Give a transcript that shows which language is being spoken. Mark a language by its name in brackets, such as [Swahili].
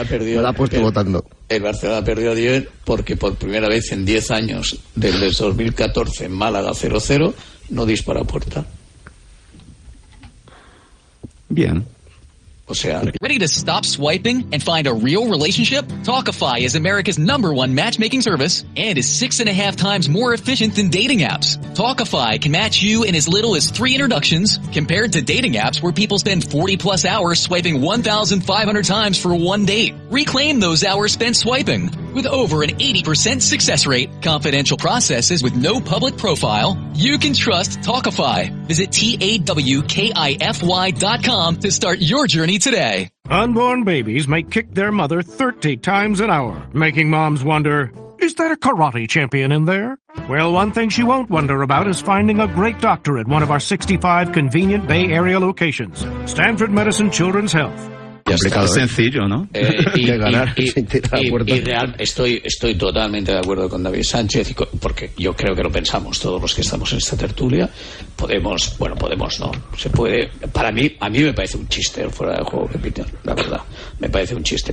[Spanish] El Barcelona perdió ayer porque por primera vez en 10 años, desde 2014 en Málaga 0-0, no dispara puerta. Bien. [English] Ready to stop swiping and find a real relationship? Talkify is America's number one matchmaking service and is 6.5 times more efficient than dating apps. Talkify can match you in as little as 3 introductions compared to dating apps where people spend 40 plus hours swiping 1,500 times for one date. Reclaim those hours spent swiping. With over an 80% success rate, confidential processes with no public profile, you can trust Talkify. Visit TAWKIFY.com to start your journey today. Unborn babies may kick their mother 30 times an hour, making moms wonder, is that a karate champion in there? Well, one thing she won't wonder about is finding a great doctor at one of our 65 convenient Bay Area locations. Stanford Medicine Children's Health. [Spanish] Complicado, es sencillo, ¿no? Estoy totalmente de acuerdo con David Sánchez, porque yo creo que lo pensamos todos los que estamos en esta tertulia. Podemos, no se puede. A mí me parece un chiste el fuera de juego que pitan, la verdad. Me parece un chiste.